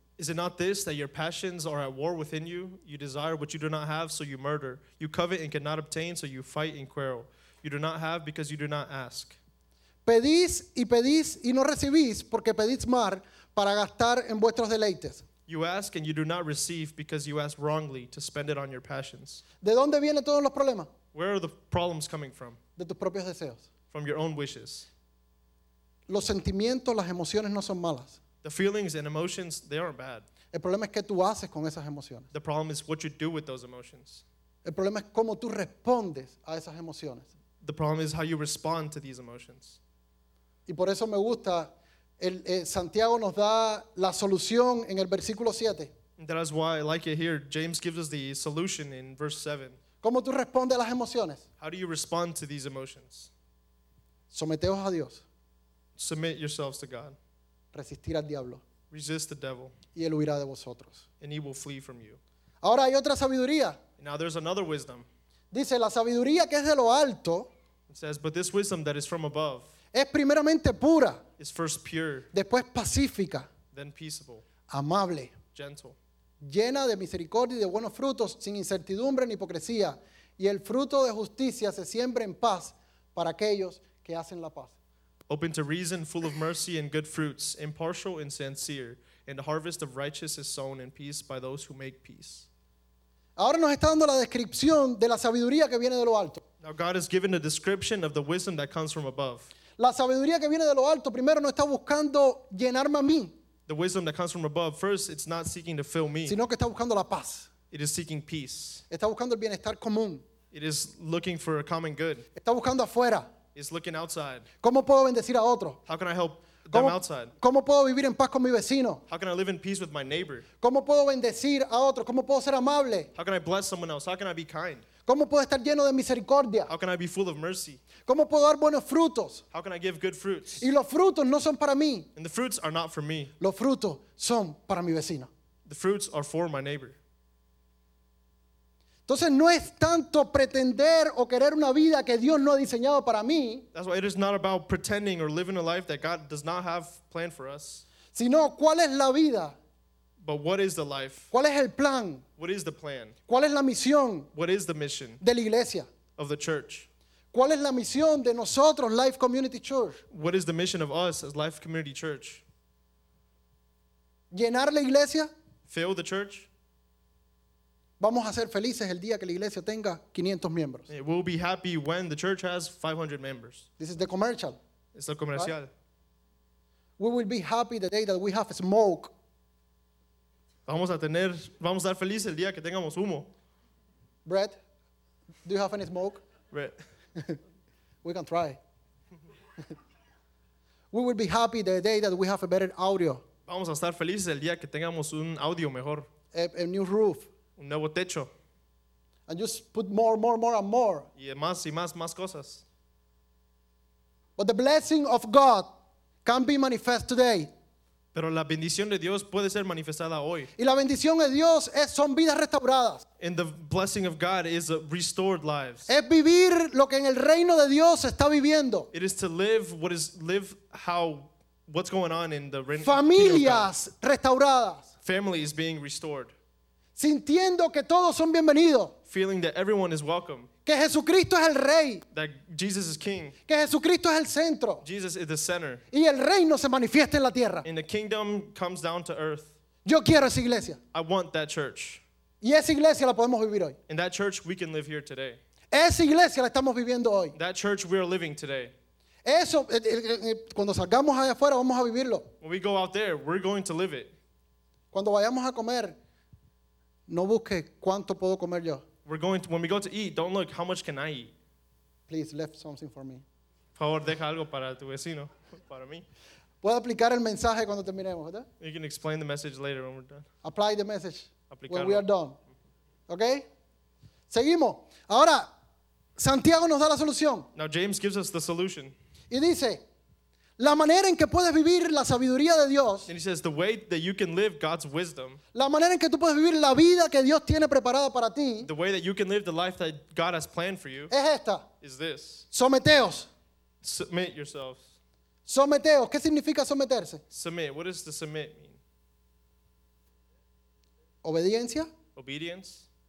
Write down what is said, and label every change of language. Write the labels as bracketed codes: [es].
[en] Is it not this, that your passions are at war within you? You desire what you do not have, so you murder. You covet and cannot obtain, so you fight and quarrel. You do not have because you do not ask. [es] Pedís y pedís y no recibís, porque pedís mal para gastar en vuestros deleites. [en] You ask and you do not receive because you ask wrongly to spend it on your passions. [es] ¿De dónde vienen todos los problemas? [en] Where are the problems coming from? [es] De tus propios deseos. [en] From your own wishes. [es] Los sentimientos, las emociones no son malas. [en] The feelings and emotions, they aren't bad. [es] El problema es qué tú haces con esas emociones. [en] The problem is what you do with those emotions. [es] El problema es cómo tú respondes a esas emociones. [en] The problem is how you respond to these emotions. [es] Y por eso me gusta, Santiago nos da la solución en el versículo 7. [en] That is why I like it here. James gives us the solution in verse 7. [es] ¿Cómo tú respondes a las emociones? [en] How do you respond to these emotions? [es] Someteos a Dios. [en] Submit yourselves to God. [es] Resistir al diablo. [en] Resist the devil. [es] Y él huirá de vosotros. [en] And he will flee from you. [es] Ahora hay otra sabiduría. [en] Now there's another wisdom. [es] Dice, la sabiduría que es de lo alto. [en] It says, but this wisdom that is from above. [es] Es primeramente pura. [en] Is first pure. [es] Después pacífica. [en] Then peaceable. [es] Amable. [en] Gentle. [es] Llena de misericordia y de buenos frutos, sin incertidumbre ni hipocresía. Y el fruto de justicia se siembra en paz para aquellos que hacen la paz. [en] Open to reason, full of mercy and good fruits, impartial and sincere, and the harvest of righteousness is sown in peace by those who make peace. [es] Ahora nos está dando la descripción de la sabiduría que viene de lo alto. [en] Now God has given a description of the wisdom that comes from above. [es] La sabiduría que viene de lo alto primero no está buscando llenarme a mí. [en] The wisdom that comes from above, first, it's not seeking to fill me. [es] Sino que está buscando la paz. [en] It is seeking peace. [es] Está buscando el bienestar común. [en] It is looking for a common good. [es] Está buscando afuera. [en] Is looking outside. [es] ¿Cómo puedo bendecir a otro? [en] How can I help them outside? [es] ¿Cómo puedo vivir en paz con mi vecino? [en] How can I live in peace with my neighbor? [es] ¿Cómo puedo bendecir a otro? ¿Cómo puedo ser amable? [en] How can I bless someone else? How can I be kind? [es] ¿Cómo puedo estar lleno de misericordia? [en] How can I be full of mercy? [es] ¿Cómo puedo dar buenos frutos? [en] How can I give good fruits? [es] Y los frutos no son para mí. [en] And the fruits are not for me. [es] Los frutos son para mi vecino. [en] The fruits are for my neighbor. [es] Entonces no es tanto pretender o querer una vida que Dios no ha diseñado para mí. [en] That's why it is not about pretending or living a life that God does not have planned for us. [es] Sino, ¿cuál es la vida? [en] But what is the life? [es] ¿Cuál es el plan? [en] What is the plan? [es] ¿Cuál es la misión? [en] What is the mission? [es] De la iglesia. [en] Of the church. [es] ¿Cuál es la misión de nosotros, Life Community Church? [en] What is the mission of us as Life Community Church? [es] ¿Llenar la iglesia? [en] Fill the church. [es] Vamos a ser felices el día que la iglesia tenga 500 miembros. [en] We'll be happy when the church has 500 members. This is the commercial. [es] Es el comercial. [en] We will be happy the day that we have smoke. [es] Vamos a estar felices el día que tengamos humo. [en] Brett, do you have any smoke? Brett. We can try. We will be happy the day that we have a better audio. [es] Vamos a estar felices el día que tengamos un audio mejor. [en] A new roof. [es] Un nuevo techo. [en] And just put more and more. [es] Y más y más, más cosas. [en] But the blessing of God can be manifest today. [es] Pero la bendición de Dios puede ser manifestada hoy. Y la bendición de Dios son vidas restauradas. [en] And the blessing of God is restored lives. [es] Es vivir lo que en el reino de Dios está viviendo. [en] It is to live what is live how what's going on in the reign. [es] Familias restauradas. [en] Families being restored. [es] Sintiendo que todos son bienvenidos. [en] Feeling that everyone is welcome. [es] Que Jesucristo es el rey. [en] That Jesus is king. [es] Que Jesucristo es el centro. [en] Jesus is the center. [es] Y el reino se manifiesta en la tierra. [en] And the kingdom comes down to earth. [es] Yo quiero esa iglesia. [en] I want that church. [es] Y esa iglesia la podemos vivir hoy. [en] And that church we can live here today. [es] Esa iglesia la estamos viviendo hoy. [en] That church we are living today. [es] Eso, cuando salgamos allá afuera vamos a vivirlo. [en] When we go out there, we're going to live it. [es] Cuando vayamos a comer, no busque cuánto puedo comer yo. [en] We're going to, when we go to eat, don't look how much can I eat. Please leave something for me. [es] Por favor, deja algo para tu vecino, para mí. Puedo aplicar el mensaje cuando terminemos, ¿verdad? [en] You can explain the message later when we're done. Apply the message. [es] Aplicarlo. [en] When we are done. Okay? [es] Seguimos. Ahora, Santiago nos da la solución. [en] Now James gives us the solution. [es] Y dice, la manera en que puedes vivir la sabiduría de Dios. [en] And he says, the way that you can live God's wisdom. [es] La manera en que tú puedes vivir la vida que Dios tiene preparada para ti. [en] The way that you can live the life that God has planned for you. [es] Es esta. [en] Is this. [es] Someteos. [en] Submit yourselves. [es] Someteos. ¿Qué significa someterse? [en] Submit. What does the submit mean? [es] Obediencia. [en] Obedience.